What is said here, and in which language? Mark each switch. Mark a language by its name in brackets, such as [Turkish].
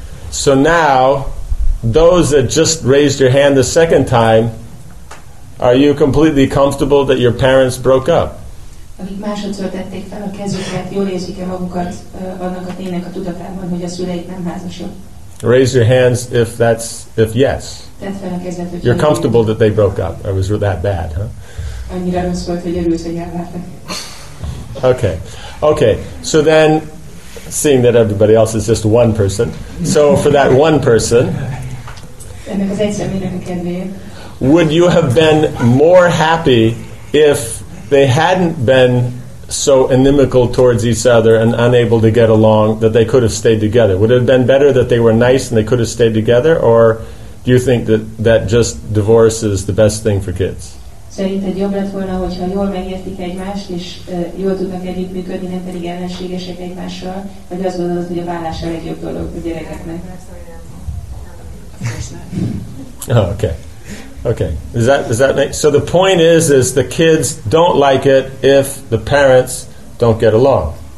[English] So now, those that just raised your hand the second time, are you completely comfortable that your parents broke up? [Hungarian] Akik másodszor tették fel a kezüket, jól érzik-e magukat annak a ténynek a tudatában, hogy a szüleik nem házasok? [English] Raise your hands if that's, if yes. [Hungarian] Tedd fel a kezed, hogy [English] you're comfortable that they broke up. It was that bad, huh? [Hungarian] Annyira rossz volt, hogy örülsz, hogy elváltak. [English] Okay. Okay. So then, seeing that everybody else is just one person, so for that one person, [Hungarian] ennek az egy személynek a kedvéért, [English] would you have been more happy if they hadn't been so inimical towards each other and unable to get along that they could have stayed together? Would it have been better that they were nice and they could have stayed together? Or do you think that, that just divorce is the best thing for kids? [Hungarian] Szerinted jobb lett volna, hogyha jól megértik egymást, és jól tudnak együttműködni, nem pedig ellenségesek egymással? Vagy azt gondolod, hogy a válás a legjobb dolog a gyerekeknek? [English] Oh, okay. Okay, does that make, so the point is the kids don't like it if the parents don't get along.